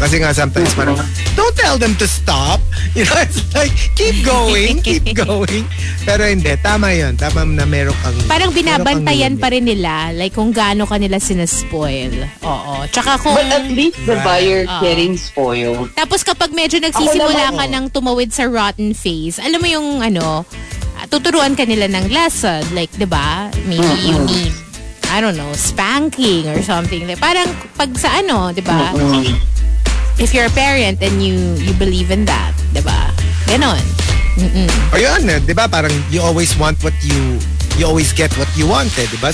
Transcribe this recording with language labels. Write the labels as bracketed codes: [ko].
[tl] Kasi nga [en] sometimes parang, don't tell them to stop. You know, it's like, keep going. [tl] Pero hindi, tama yun. Tama na meron kang... Parang binabantayan pa rin nila, like kung gaano ka nila sinaspoil. Oo. Tsaka kung... [en] But at least the buyer getting spoiled. [tl] Tapos kapag medyo nagsisimula ka ng tumawid sa rotten phase, alam mo yung ano, tuturuan ka nila ng lesson. [en] Like, diba? Maybe you need... I don't know, spanking or something. [tl] Parang pag sa ano, di ba? [en] If you're a parent and you believe in that, di ba? [tl] Ganon. O yun, di ba? [en] Parang you always want what you always get what you want, eh, di ba?